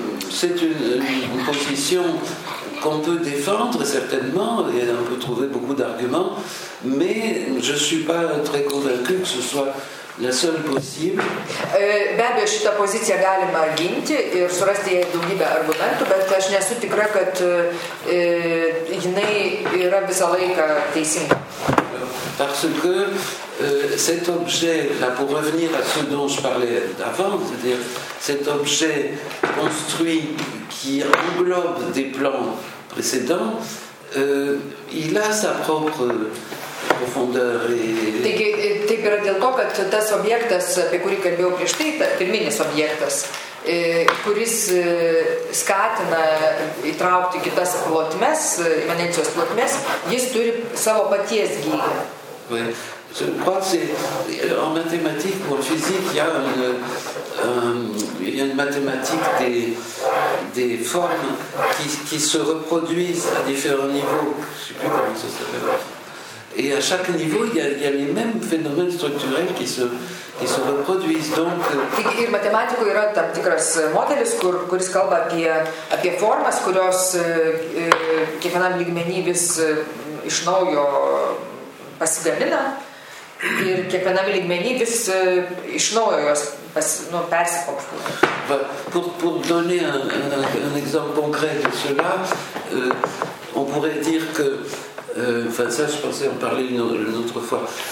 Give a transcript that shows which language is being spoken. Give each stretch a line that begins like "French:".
French: C'est une position qu'on peut défendre certainement et on peut trouver beaucoup d'arguments, mais je suis pas très convaincu que ce soit la seule possible.
Lithuanian: Be abejo, šitą poziciją galima ginti ir surasti jai daugybę argumentų, bet aš nesu tikra, kad jinai yra visą laiką teisinga.
French: Parce que cet objet, là, pour revenir à ce dont je parlais avant, c'est-à-dire cet objet construit qui englobe des plans précédents, il a sa propre profondeur et...
Lithuanian: Taip yra dėl to, kad tas objektas, apie kurį kalbėjau prieš tai, pirminis objektas, kuris skatina įtraukti kitas plotmes, imanencijos plotmes, jis turi savo paties gylį.
French: Je crois que c'est en mathématiques ou en physique, il y a une mathématique des formes qui se reproduisent à différents niveaux. Je ne sais plus comment ça s'appelle. Et à chaque niveau, il y a les mêmes phénomènes structurels qui se reproduisent. Donc,
Lithuanian: ir matematikoje yra tam tikras modelis, kuris kalba apie formas, kurios kiekvienam lygmenyje vis iš naujo pasigamina. Ir kiekvienam lygmenyje vis iš naujo jos persikonfigūruoja.
French: Pour donner un exemple concret de cela, on pourrait dire que enfin ça je pensais en parler une autre fois.